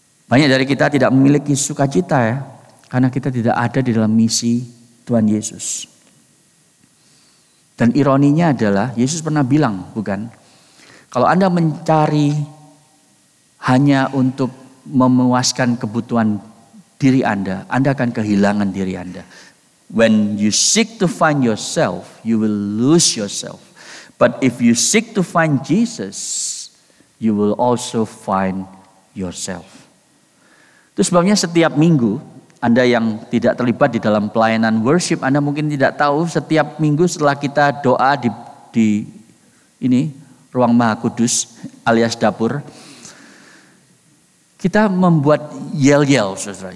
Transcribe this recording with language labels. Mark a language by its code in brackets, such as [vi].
[id] Banyak dari kita tidak memiliki sukacita ya. Karena kita tidak ada di dalam misi Tuhan Yesus. Dan ironinya adalah Yesus pernah bilang, bukan? Kalau Anda mencari hanya untuk memuaskan kebutuhan diri Anda, Anda akan kehilangan diri Anda. [en] When you seek to find yourself, you will lose yourself. But if you seek to find Jesus, you will also find yourself. [id] Itu sebabnya setiap minggu, Anda yang tidak terlibat di dalam pelayanan worship, Anda mungkin tidak tahu, setiap minggu setelah kita doa di ini ruang Maha Kudus alias dapur, kita membuat yell-yell, saudara.